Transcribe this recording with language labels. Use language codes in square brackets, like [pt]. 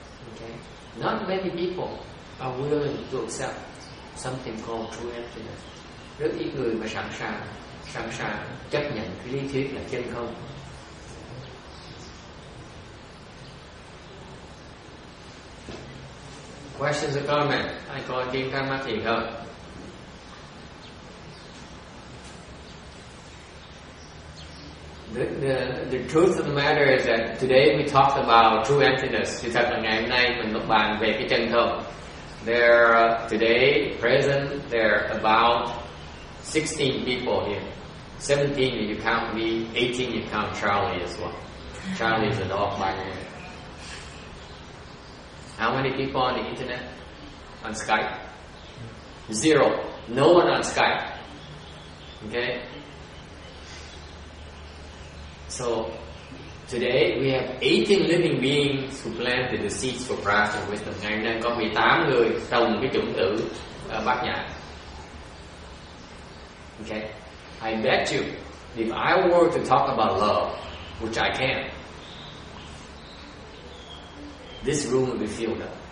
[en] Okay, not many people are willing to accept something called true emptiness. [vi] Rất ít người mà sẵn sàng chấp nhận cái lý thuyết là chân không. [en] Questions or comments? I call it Tim Kang Mati. Go. The truth of the matter is that today we talked about true emptiness. [vi] Thì thật là ngày hôm nay mình nói bàn về cái chân không. [en] There today, present, there are about 16 people here. 17 if you count me, 18 if you count Charlie as well. Charlie is a dog by the way. How many people on the internet? On Skype? Zero. No one on Skype. Okay? So, today we have 18 living beings who planted the seeds for practice and wisdom. [vi] Ngày nay có 18 người trồng cái chủng tử bát nhã. [en] Okay? I bet you, if I were to talk about love, which I can, this room would be filled up.